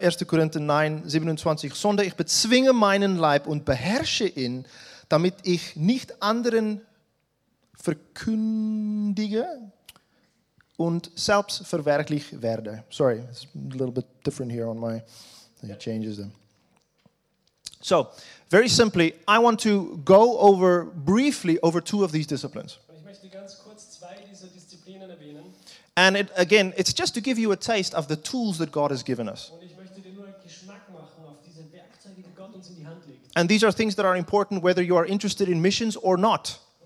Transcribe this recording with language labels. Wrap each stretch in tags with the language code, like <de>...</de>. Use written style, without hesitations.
<de>Korinther 9:27, Sonder ich bezwinge meinen Leib und beherrsche ihn, damit ich nicht anderen verkündige und selbst verwerklich werde.</de> <en>Sorry, it's a little bit different here on my... It changes them. So, very simply, I want to go over briefly over two of these disciplines.</en> <de>Ich möchte ganz kurz zwei dieser Disziplinen erwähnen.</de> <en>And it, again, it's just to give you a taste of the tools that God has given us.</en> <de>Und ich möchte dir nur Geschmack machen auf diese Werkzeuge, die Gott uns in die Hand legt.</de> <en>And these are things that are important whether you are interested in missions or not.</en>